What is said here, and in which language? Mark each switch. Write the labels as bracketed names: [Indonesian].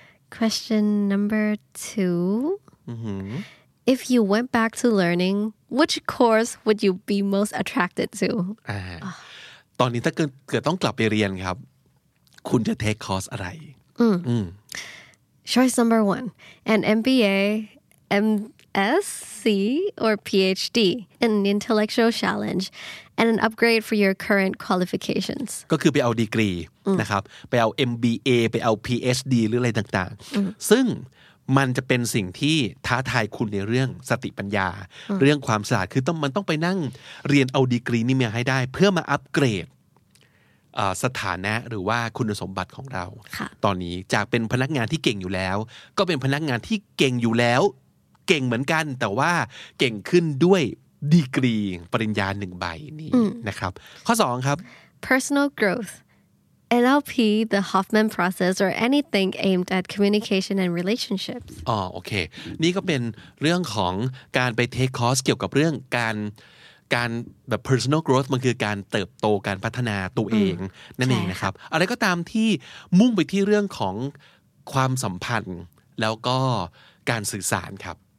[English] question number 2 if you went back to learning which course would you be most attracted to [Thai] ตอนนี้ถ้าเกิดต้องกลับไปเรียนครับคุณจะเทคคอร์สอะไร [English] choice number 1 an MBA MSc or PhD an intellectual challenge and an upgrade for your current qualifications [Thai] ก็คือไปเอาดีกรีนะครับไปเอา MBA ไปเอา PhD หรืออะไรต่างๆซึ่งมันจะเป็นสิ่งที่ท้าทายคุณในเรื่องสติปัญญาเรื่องความฉลาดคือต้องไปนั่งเรียนเอาดีกรีนี่มาให้ได้เพื่อมาอัปเกรด สถานะหรือว่าคุณสมบัติของเราตอนนี้จากเป็นพนักงานที่เก่งอยู่แล้วก็เป็นพนักงานที่เก่งอยู่แล้วเก่งเหมือนกันแต่ว่าเก่งขึ้นด้วยดีกรีปริญญาหนึ่งใบนี้นะครับข้อสองครับ [English] personal growth NLP the Hoffman process or anything aimed at communication and relationships [Thai] อ๋อโอเคนี่ก็เป็นเรื่องของการไปเทคคอร์สเกี่ยวกับเรื่องการแบบ personal growth มันคือการเติบโตการพัฒนาตัวเองนั่นเองนะครับอะไรก็ตามที่มุ่งไปที่เรื่องของความสัมพันธ์แล้วก็การสื่อสารครับ